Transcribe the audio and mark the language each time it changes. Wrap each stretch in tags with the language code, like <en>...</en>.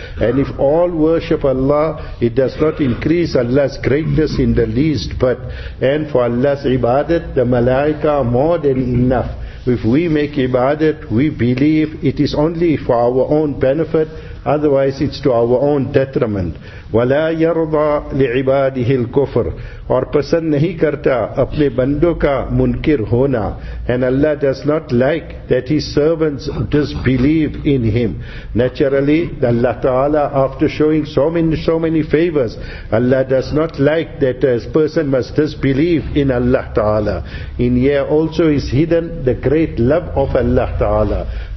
<en>And if all worship Allah, it does not increase Allah's greatness in the least. But and for Allah's ibadat, the malaika are more than enough. If we make ibadat, we believe it is only for our own benefit, otherwise it's to our own detriment.</en> <ar>وَلَا يَرْضَى لِعِبَادِهِ الْكُفْرِ.</ar> <ur>اور پسند نہیں کرتا اپنے بندوں کا منکر ہونا.</ur> <en>And Allah does not like that His servants disbelieve in Him. Naturally, Allah Ta'ala, after showing so many favors, Allah does not like that a person must disbelieve in Allah Ta'ala. In here also is hidden the great love of Allah Ta'ala.</en>